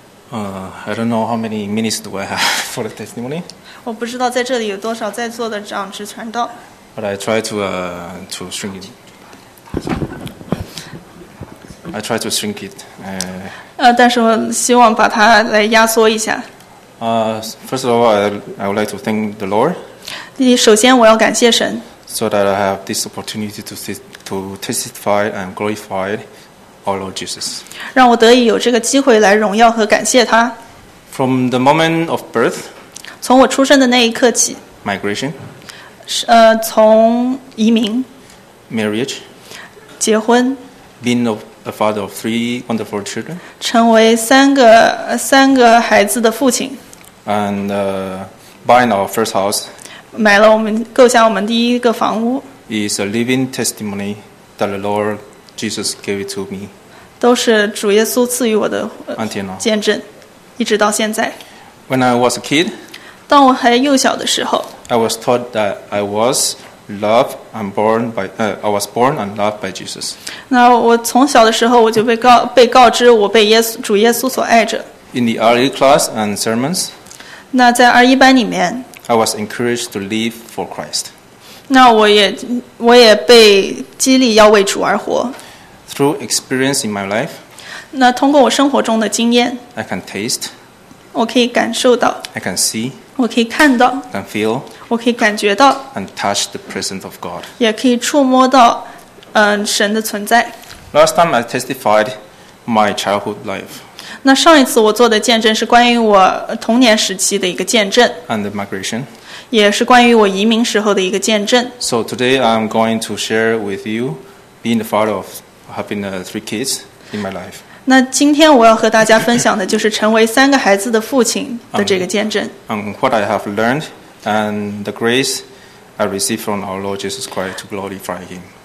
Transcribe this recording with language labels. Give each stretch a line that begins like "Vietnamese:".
English: I don't know how many minutes do I have for the testimony.
Chinese: 我不知道在这里有多少在座的长职传道。
English: But I try to shrink it.
Chinese: 但是我希望把它来压缩一下。
English: First of all, I would like to thank the Lord.
Chinese: 首先我要感谢神。
English: So that I have this opportunity to testify and glorify our Lord Jesus.
Chinese: 让我得以有这个机会来荣耀和感谢他。
English: From the moment of birth,
Chinese: 从我出生的那一刻起。
English: Migration,
Chinese: 从移民。
English: Marriage,
Chinese: 结婚。
English: Being a father of three wonderful children,
Chinese: 成为三个孩子的父亲。
English: And buying our first house,
Chinese: 买了我们购下我们第一个房屋。
English: Is a living testimony that the Lord Jesus gave it to me.
Chinese: 都是主耶稣赐予我的见证，一直到现在。
English: When I was a kid,
Chinese: 当我还幼小的时候
English: ，I was taught that I was born and loved by Jesus.
Chinese: 那我从小的时候我就被告知我被主耶稣所爱着。
English: In the RE class and sermons,
Chinese: 那在RE班里面
English: ，I was encouraged to live for Christ.
Chinese: 那我也被激励要为主而活。
English: Through experience in my life,
Chinese: 那通过我生活中的经验
English: ，I can taste,
Chinese: 我可以感受到
English: ；I can see,
Chinese: 我可以看到
English: ；I can feel,
Chinese: 我可以感觉到
English: ；and touch the presence of God,
Chinese: 也可以触摸到，神的存在。
English: Last time I testified my childhood life,
Chinese: 那上一次我做的见证是关于我童年时期的一个见证
English: ，and the migration.
Chinese: 也是关于我移民时候的一个见证。
English: So today I'm going to share with you being the father of having three kids in my life.
Chinese: 那今天我要和大家分享的就是成为三个孩子的父亲的这个见证。
English: What I have learned and the grace I received from our Lord Jesus Christ to glorify Him.